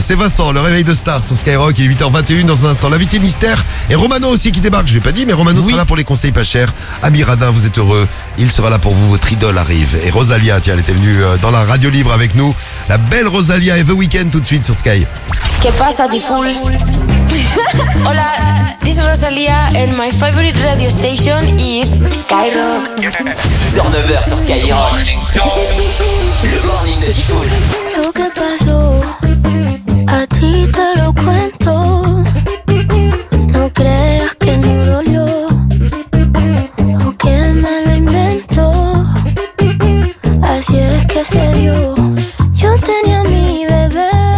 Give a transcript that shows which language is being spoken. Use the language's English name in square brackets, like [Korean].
[French] C'est Vincent, le réveil de star sur Skyrock. Il est 8h21 dans un instant. L'invité mystère. Et Romano aussi qui débarque. Je ne l'ai pas dit, mais Romano sera là pour les conseils pas chers. Ami Radin, vous êtes heureux. Il sera là pour vous. Votre idole arrive. Et Rosalía, tiens, elle était venue dans la radio libre avec nous. La belle Rosalía et The Weeknd tout de suite sur Sky. [Spanish] Que passa, di full? [English] Hola, this is Rosalía and my favorite radio station is Skyrock. [French] 6h-9h sur Skyrock. Le morning de Difool. [Spanish] Lo que pasó, a ti te lo cuento. No creas que no dolió o que me lo inventó. Así es que se dio. Yo tenía mi bebé.